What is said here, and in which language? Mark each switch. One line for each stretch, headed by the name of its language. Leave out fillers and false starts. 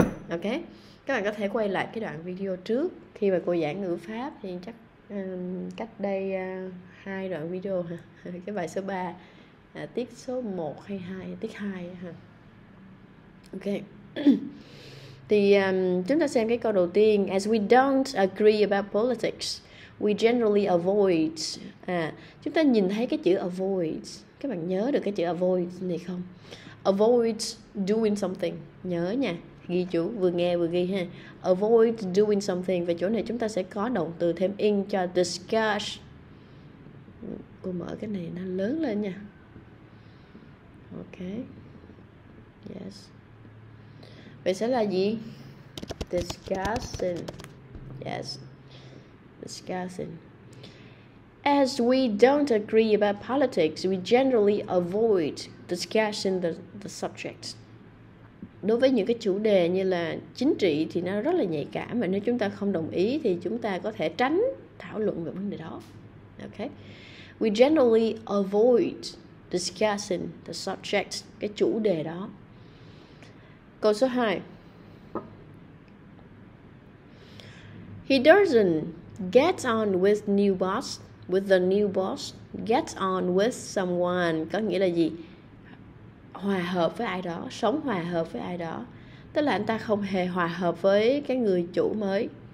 Vietnamese: Ok, các bạn có thể quay lại cái đoạn video trước khi mà cô giảng ngữ pháp thì chắc cách đây hai đoạn video hả? Cái bài số 3, tiết số 1 hay 2, tiết 2 hả? Ok. Thì chúng ta xem cái câu đầu tiên.
English: As we don't agree about politics, we generally avoid.
Vietnamese: Chúng ta nhìn thấy cái chữ avoid. Các bạn nhớ được cái chữ avoid này không?
English: Avoid doing something.
Vietnamese: Nhớ nha. Ghi chú, vừa nghe vừa ghi ha.
English: Avoid doing something.
Vietnamese: Và chỗ này chúng ta sẽ có động từ thêm in cho discuss. Cô mở cái này nó lớn lên nha. Ok. Yes. Vậy sẽ là gì?
English: Discussing. Yes. Discussing. As we don't agree about politics, we generally avoid discussing the subject.
Vietnamese: Đối với những cái chủ đề như là chính trị thì nó rất là nhạy cảm, mà nếu chúng ta không đồng ý thì chúng ta có thể tránh thảo luận về vấn đề đó. Okay.
English: We generally avoid discussing the subject,
Vietnamese: cái chủ đề đó. Câu số 2.
English: He doesn't get on with new boss, with the new boss, get on with someone
Vietnamese: có nghĩa là gì? Hòa hợp với ai đó, sống hòa hợp với ai đó. Tức là anh ta không hề hòa hợp với cái người chủ mới.